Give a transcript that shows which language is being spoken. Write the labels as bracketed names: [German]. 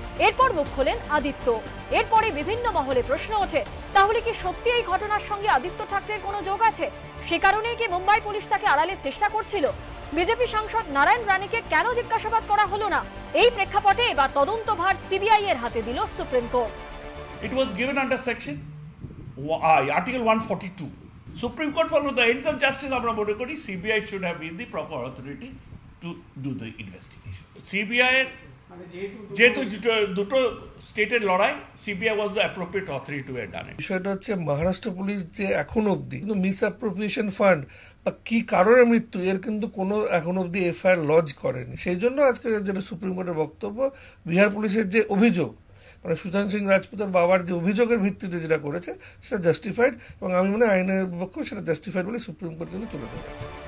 [Bangla] এরপর মুখ খোলেন আদিত্য এরপরে বিভিন্ন মহলে প্রশ্ন ওঠে তাহলে কি সত্যি এই ঘটনার সঙ্গে আদিত্য ঠাকরের কোনো যোগ আছে সে কারণেই কি মুম্বাই পুলিশ তাকে আড়ালের চেষ্টা করছিল বিজেপি সাংসদ নারায়ণ রানীকে কেন জিজ্ঞাসাবাদ করা হলো না এই প্রেক্ষাপটে এবার তদন্তভার সিবিআই এর হাতে দিল supreme court [English] It was given under section Article 142. Supreme Court followed the ends of justice of Ramana Kodi. CBI should have been the proper authority to do the investigation. CBI, [Bangla] যেহেতু দুটো স্টেটের লড়াই [English] CBI was the appropriate authority to have done it [Bangla] বিষয়টা হচ্ছে Maharashtra police যে এখন অবধি কিন্তু মিস অ্যাপ্রোপ্রিয়েশন ফান্ড বা কি কারণে মৃত্যু এর কিন্তু কোনো এখন অবধি এফআইআর লজ করেনি সেই জন্য আজকে যেটা সুপ্রিম কোর্টের বক্তব্য বিহার পুলিশের যে অভিযোগ মানে সুশান্ত সিং রাজপুতের বাবার যে অভিযোগের ভিত্তিতে যেটা করেছে সেটা জাস্টিফাইড এবং আমি মনে আইনের পক্ষে সেটা জাস্টিফাইড বলে সুপ্রিম কোর্ট কিন্তু তুলে ধরেছে